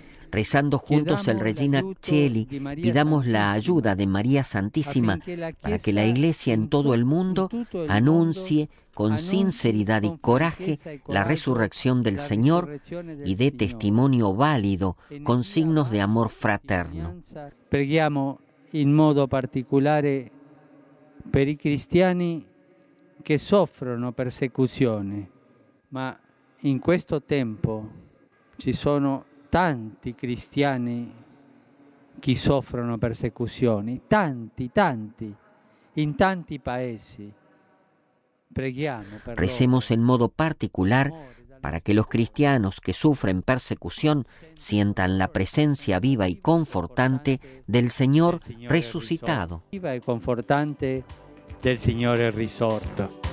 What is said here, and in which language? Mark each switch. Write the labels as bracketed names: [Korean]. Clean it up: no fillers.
[Spanish] Rezando juntos el Regina Caeli, pidamos la ayuda de María Santísima para que la Iglesia en todo el mundo anuncie con sinceridad y coraje la resurrección del Señor y dé testimonio válido con signos de amor fraterno. [Italian] Preghiamo in modo particolare per i cristiani che soffrono persecuzione, ma in questo tempo ci sono tanti cristiani che soffrono persecuzioni, tanti, tanti, in tanti paesi. Preghiamo per [Spanish] Recemos en modo particular para que los cristianos que sufren persecución sientan la presencia viva y confortante del Señor resucitado. [Italian] Viva e confortante del Signore risorto.